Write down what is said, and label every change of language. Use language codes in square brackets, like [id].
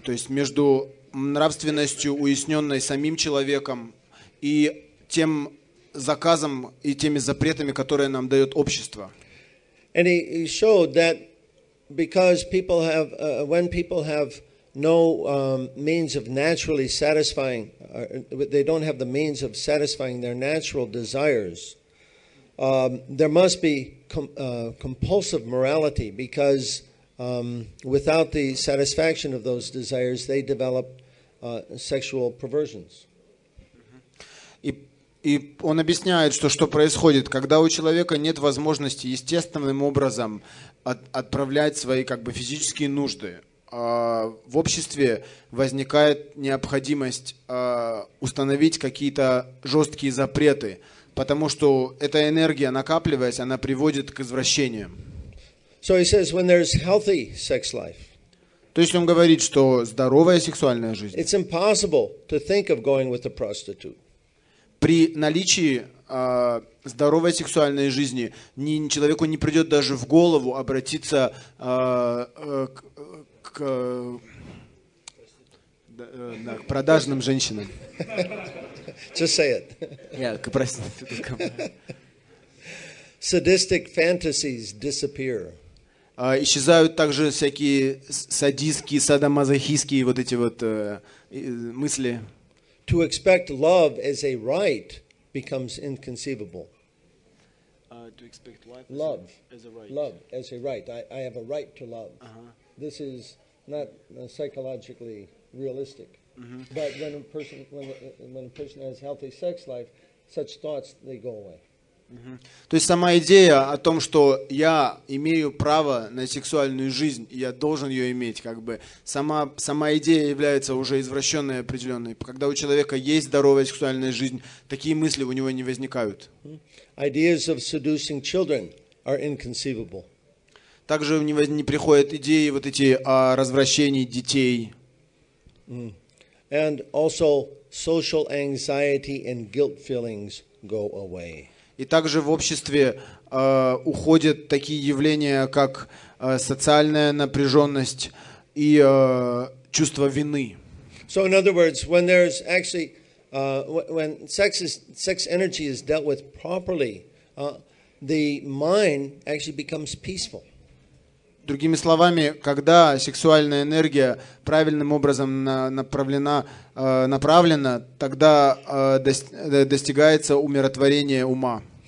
[ru] То есть между нравственностью, уясненной самим человеком, и тем заказом и теми запретами, которые нам дает общество. [en] And he showed that because people have, when people have no means of naturally satisfying, they don't have the means of satisfying their natural desires, there must be compulsive morality, because without the satisfaction of those desires, they develop sexual perversions. [ru] И он объясняет, что происходит, когда у человека нет возможности естественным образом отправлять свои как бы физические нужды. В обществе возникает необходимость установить какие-то жесткие запреты, потому что эта энергия, накапливаясь, она приводит к извращениям. [en] So he says, when there's healthy sex life. [ru] То есть он говорит, что здоровая сексуальная жизнь. [en] It's impossible to think of going with a prostitute. [ru] При наличии здоровой сексуальной жизни человеку не придет даже в голову обратиться к продажным женщинам. [en] Just say it. [ru] Yeah, к проституткам. [en] Sadistic fantasies disappear. [ru] Исчезают также всякие садистские, садомазохистские вот эти вот мысли. [en] To expect love as a right becomes inconceivable. To expect life love as a right. Love as a right. I have a right to love. This is not psychologically realistic. But when a person has healthy sex life, such thoughts they go away. [ru] То есть сама идея о том, что я имею право на сексуальную жизнь, и я должен ее иметь, как бы, сама идея является уже извращенной определенной. Когда у человека есть здоровая сексуальная жизнь, такие мысли у него не возникают. [en] Ideas of seducing children are inconceivable. [ru] Также у него не приходят идеи вот эти о развращении детей. [en] And also social anxiety and guilt feelings go away. [ru] И также в обществе уходят такие явления, как социальная напряженность и чувство вины. [en] So in other words, when there's actually when sex energy is dealt with properly, the mind actually becomes peaceful. [ru] Другими словами, когда сексуальная энергия правильным образом направлена, тогда достигается умиротворение ума.